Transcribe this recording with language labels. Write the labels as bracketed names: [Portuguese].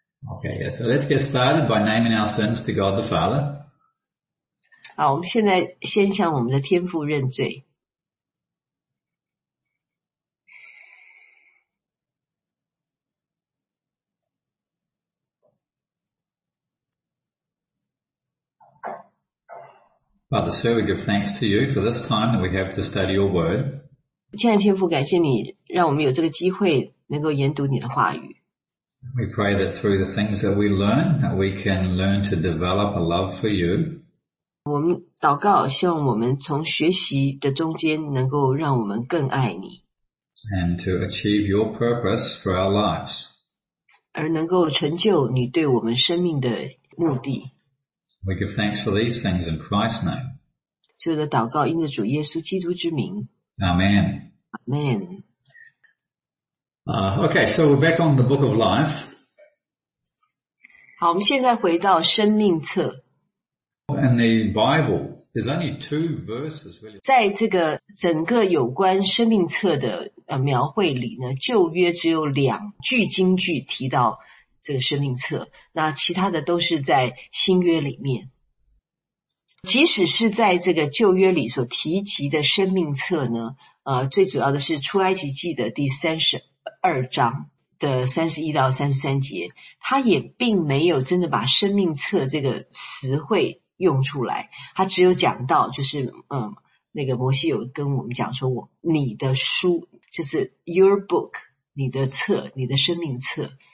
[English] Okay, yeah, so let's get started by naming our sins to God the Father. [Chinese] 好，我们现在先向我们的天父认罪。 [English] Father, so we give thanks to you for this time that we have to study your word. [Chinese] 亲爱的天父，感谢你让我们有这个机会能够研读你的话语。 [English] We pray that through the things that we learn, that we can learn to develop a love for you. [Chinese] 我们祷告，希望我们从学习的中间能够让我们更爱你。 [English] And to achieve your purpose for our lives. [Chinese] 而能够成就你对我们生命的目的。 [English] We give thanks for these things in Christ's name. [Chinese] 这个祷告因着主耶稣基督之名。 [English] Amen. Amen. Okay, so we're back on the book of life. [Chinese] 好，我们现在回到生命册。 [English] In the Bible, there's only two verses really. [Chinese] 在这个整个有关生命册的描绘里呢，旧约只有两句经句提到这个生命册，那其他的都是在新约里面。即使是在这个旧约里所提及的生命册呢，最主要的是出埃及记的第32章的31到33节，它也并没有真的把生命册这个词汇用出来，它只有讲到就是那个摩西有跟我们讲说你的书，就是 [English] your book, [Chinese] 你的册，你的生命册。